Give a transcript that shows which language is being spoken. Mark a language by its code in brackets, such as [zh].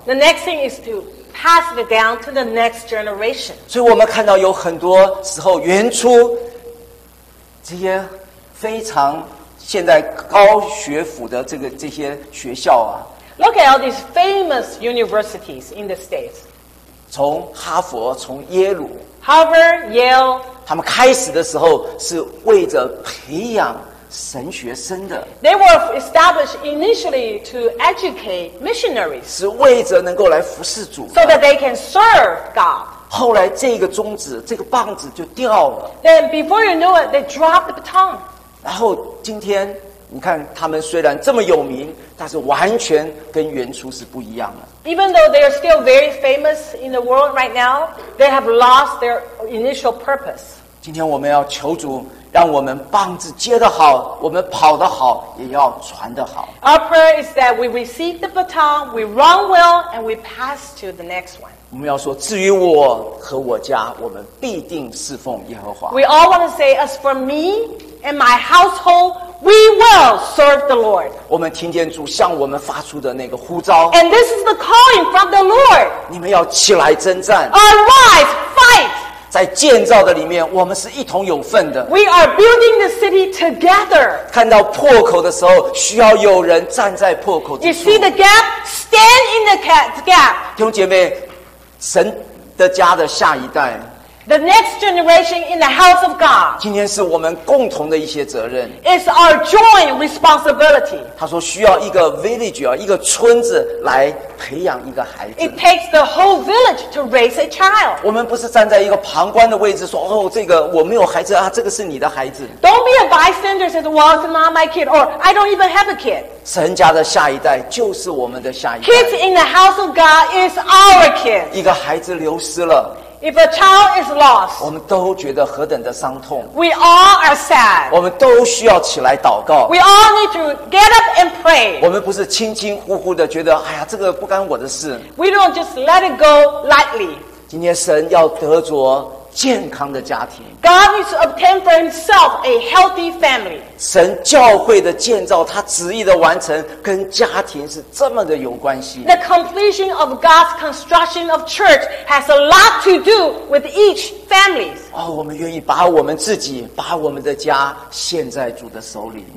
[en] The next thing is to pass it down to the next generation. [zh] 所以我们看到有很多时候原初这些非常现在高学府的这些学校啊 [en] ，Look at all these famous universities in the states. [zh] 从哈佛，从耶鲁 [en] ，Harvard, Yale. [zh] 他们开始的时候是为着培养神学生的。 [en] They were established initially to educate missionaries. [zh] 是为着能够来服侍主的。 [en] So that they can serve God. [zh] 后来这个种子这个棒子就掉了 [en] Then before you know it they drop the baton [zh] 然后今天你看他们虽然这么有名但是完全跟原初是不一样的 [en] Even though they are still very famous in the world right now they have lost their initial purpose [zh] 今天我们要求主让我们棒子接得好我们跑得好也要传得好 [en] Our prayer is that we receive the baton we run well and we pass to the next one [zh] 我们要说至于我和我家我们必定侍奉耶和华 [en] We all want to say as for me and my household We will serve the Lord [zh] 我们听见主向我们发出的那个呼召 [en] And this is the calling from the Lord [zh] 你们要起来征战 [en] Arise, fight [zh] 在建造的里面我们是一同有份的 [en] We are building the city together [zh] 看到破口的时候需要有人站在破口之处 [en] You see the gap? Stand in the gap [zh] 弟兄姐妹神的家的下一代 [en] The next generation in the house of God [zh] 今天是我们共同的一些责任 [en] It's our joint responsibility [zh] 他说需要一个 village 一个村子来培养一个孩子 [en] It takes the whole village to raise a child [zh] 我们不是站在一个旁观的位置说哦，这个我没有孩子啊，这个是你的孩子 [en] Don't be a bystander says, well, it's not my kid or I don't even have a kid [zh] 神家的下一代就是我们的下一代 [en] Kids in the house of God is our kid [zh] 一个孩子流失了 [en] If a child is lost [zh] 我们都觉得何等的伤痛 [en] We all are sad [zh] 我们都需要起来祷告 [en] We all need to get up and pray [zh] 我们不是轻轻忽忽的觉得哎呀这个不干我的事 [en] We don't just let it go lightly [zh] 今天神要得着健康的家庭 [en] God needs to obtain for himself a healthy family [zh] 神教会的建造他旨意的完成跟家庭是这么的有关系 [en] The completion of God's construction of church has a lot to do with each family [zh] 哦，我们愿意把我们自己把我们的家献在主的手里